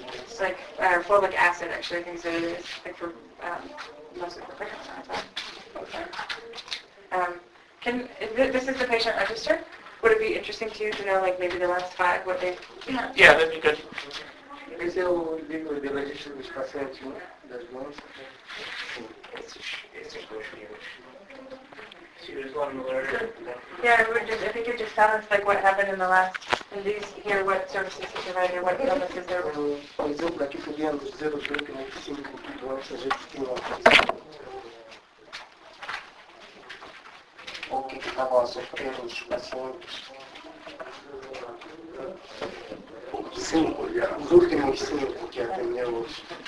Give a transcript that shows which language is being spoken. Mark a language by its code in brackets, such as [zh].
[en] It's like, or folic acid actually, I think so, it's like for most of the patients, I thought. This is the patient register. Would it be interesting to you to know, like, maybe the last five, what they... Yeah, that'd be good. [pt] Esse é o livro de registro dos pacientes, né? Das mãos. Esses dois livros. [en] I think it just sounds like what happened in the last, and these here, what services they provided, what illnesses they're... [pt] Por exemplo, aqui podíamos dizer o que é possível que o nosso agente tem uma coisa. O que estava a sofrer os pacientes? Cinco, já. Os últimos cinco que atendemos.